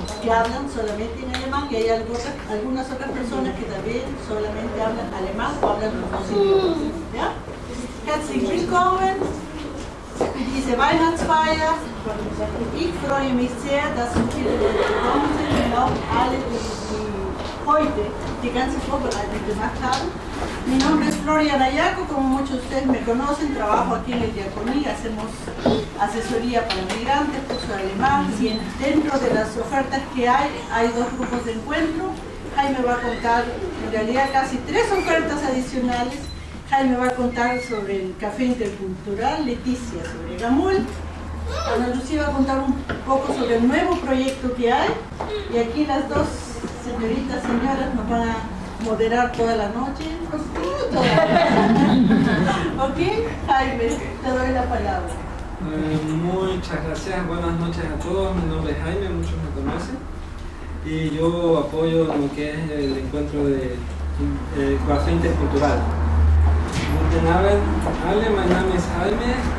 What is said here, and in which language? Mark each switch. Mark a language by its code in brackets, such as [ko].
[es] hablan solamente en alemán, y hay algunas otras personas que también solamente hablan alemán o hablan los dos idiomas. ¿Ya? [de] Herzlich willkommen. Diese Weihnachtsfeier. Ich freue mich sehr, dass so viele Leute gekommen sind und auch alle, die heute die ganze Vorbereitung gemacht haben. [es] Mi nombre es Floriana Iaco, como muchos de ustedes me conocen, trabajo aquí en la Diaconía, hacemos asesoría para migrantes, curso de alemán, y dentro de las ofertas que hay dos grupos de encuentro. Jaime va a contar, en realidad casi tres ofertas adicionales. Jaime va a contar sobre el café intercultural, Leticia sobre Gamul, Ana Lucía va a contar un poco sobre el nuevo proyecto que hay, y aquí las dos señoras nos van a moderar toda la noche. Ok, Jaime, te doy la palabra. Muchas gracias, buenas noches a todos. Mi nombre es Jaime, muchos me conocen. Y yo apoyo lo que es el encuentro de Café Intercultural. [de] Guten Abend, mein Name ist Jaime.